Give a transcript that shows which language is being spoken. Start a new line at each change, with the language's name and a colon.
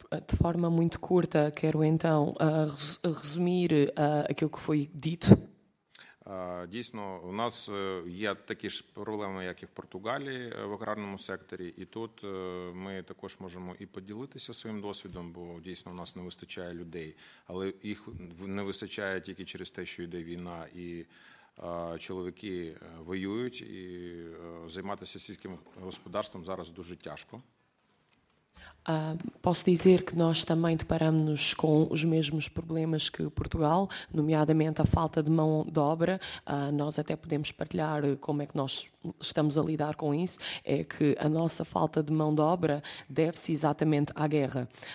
Portuguese: De forma muito curta, quero então resumir aquilo que foi dito.
Ukrainian: Дійсно, у нас є такі ж проблеми, як і в Португалії, в аграрному секторі, і тут ми також можемо і поділитися своїм досвідом, бо дійсно у нас не вистачає людей, але їх не вистачає тільки через те, що йде війна, і чоловіки воюють, і займатися сільським господарством зараз дуже тяжко.
Portuguese: Posso dizer que nós também deparamos-nos com os mesmos problemas que Portugal, nomeadamente a falta de mão de obra. Nós até podemos partilhar como é que nós estamos a lidar com isso. É que a nossa falta de mão de obra deve-se exatamente à guerra.